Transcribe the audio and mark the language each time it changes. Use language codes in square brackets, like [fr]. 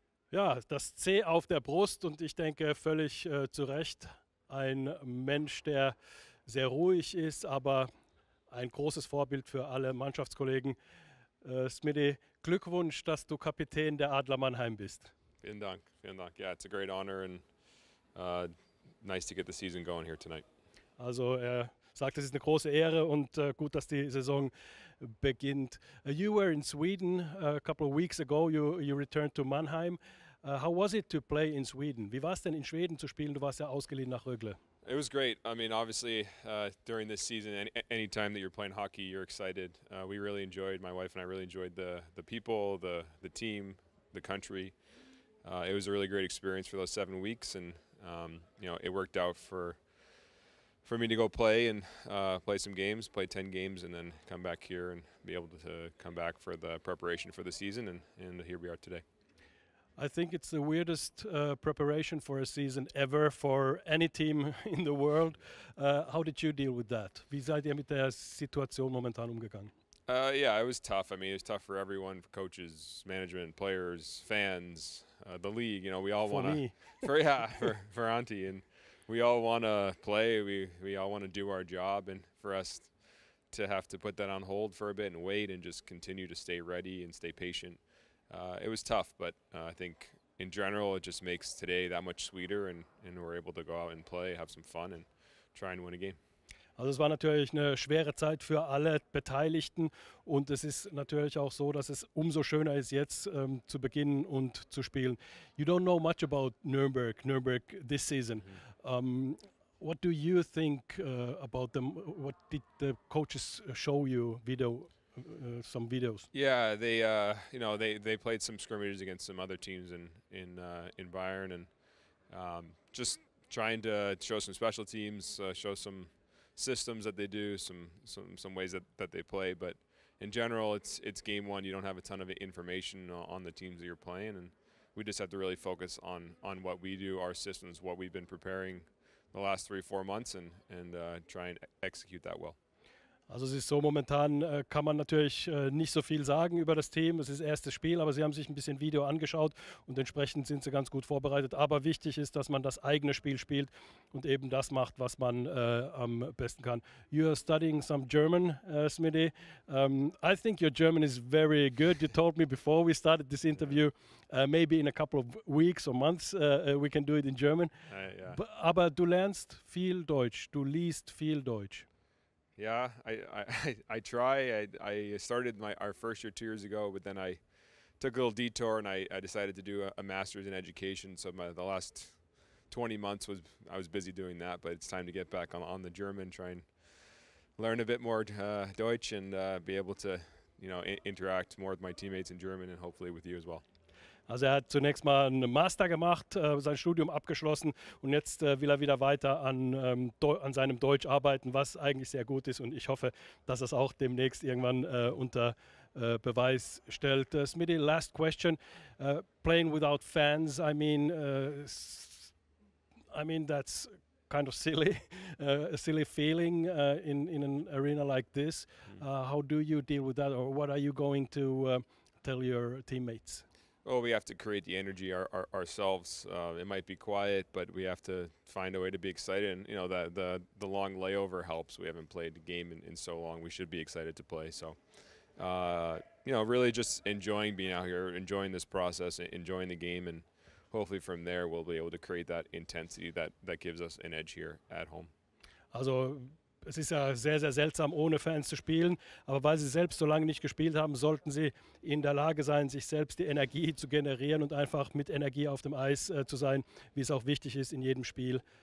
[de] Ja, das C auf der Brust und ich denke völlig zu Recht ein Mensch, der sehr ruhig ist, aber ein großes Vorbild für alle Mannschaftskollegen. Smitty, Glückwunsch, dass du Kapitän der Adler Mannheim bist. Vielen Dank, [en] yeah, it's a great honor and nice to get the season going here tonight. [de] Also er sagt, es ist eine große Ehre und gut, dass die Saison beginnt. [en] You were in Sweden a couple of weeks ago, you returned to Mannheim. How was it to play in Sweden? [de] Wie war es denn in Schweden zu spielen? Du warst ja ausgeliehen nach Rögle. [en] It was great. I mean, obviously, during this season, any time that you're playing hockey, you're excited. We really enjoyed, my wife and I really enjoyed the people, the team, the country. It was a really great experience for those 7 weeks and, you know, it worked out for me to go play and play some games, play 10 games and then come back here and be able to come back for the preparation for the season and here we are today. I think it's the weirdest preparation for a season ever for any team in the world. How did you deal with that? [de] Wie seid ihr mit der Situation momentan umgegangen? [en] Yeah, it was tough. I mean, it was tough for everyone, for coaches, management, players, fans, the league, you know, we all want to for Antti and we all want to play. We all want to do our job and for us to have to put that on hold for a bit and wait and just continue to stay ready and stay patient. It was tough, but I think in general it just makes today that much sweeter and we're able to go out and play, have some fun and try and win a game. [de] Also es war natürlich eine schwere Zeit für alle Beteiligten und es ist natürlich auch so, dass es umso schöner ist jetzt zu beginnen und zu spielen. [en] You don't know much about Nürnberg this season. Mm-hmm. What do you think about them? What did the coaches show you video? Some videos. Yeah, they you know they played some scrimmages against some other teams in Bayern and just trying to show some special teams, show some systems that they do, some ways that they play. But in general, it's game one. You don't have a ton of information on the teams that you're playing, and we just have to really focus on what we do, our systems, what we've been preparing the last 3-4 months, and try and execute that well. [de] Also es ist so, momentan kann man natürlich nicht so viel sagen über das Team. Es ist erstes Spiel, aber sie haben sich ein bisschen Video angeschaut und entsprechend sind sie ganz gut vorbereitet. Aber wichtig ist, dass man das eigene Spiel spielt und eben das macht, was man am besten kann. [en] You are studying some German, Smitty. I think your German is very good. You told me before we started this interview, maybe in a couple of weeks or months we can do it in German. Yeah. [de] Aber du lernst viel Deutsch, du liest viel Deutsch. [en] Yeah, I try. I started our first year 2 years ago, but then I took a little detour and I decided to do a master's in education. So the last 20 months I was busy doing that, but it's time to get back on the German, try and learn a bit more Deutsch and be able to, you know, interact more with my teammates in German and hopefully with you as well. [de] Also er hat zunächst mal einen Master gemacht, sein Studium abgeschlossen und jetzt will er wieder weiter an seinem Deutsch arbeiten, was eigentlich sehr gut ist und ich hoffe, dass er es auch demnächst irgendwann unter Beweis stellt. [en] Smitty, last question. Playing without fans, I mean that's kind of silly, a silly feeling in an arena like this. How do you deal with that or what are you going to tell your teammates? Well, we have to create the energy ourselves. It might be quiet, but we have to find a way to be excited. And, you know, the long layover helps. We haven't played a game in so long. We should be excited to play. So, you know, really just enjoying being out here, enjoying this process, enjoying the game. And hopefully from there, we'll be able to create that intensity that gives us an edge here at home. [de] Also, es ist ja sehr, sehr seltsam, ohne Fans zu spielen, aber weil sie selbst so lange nicht gespielt haben, sollten sie in der Lage sein, sich selbst die Energie zu generieren und einfach mit Energie auf dem Eis zu sein, wie es auch wichtig ist in jedem Spiel.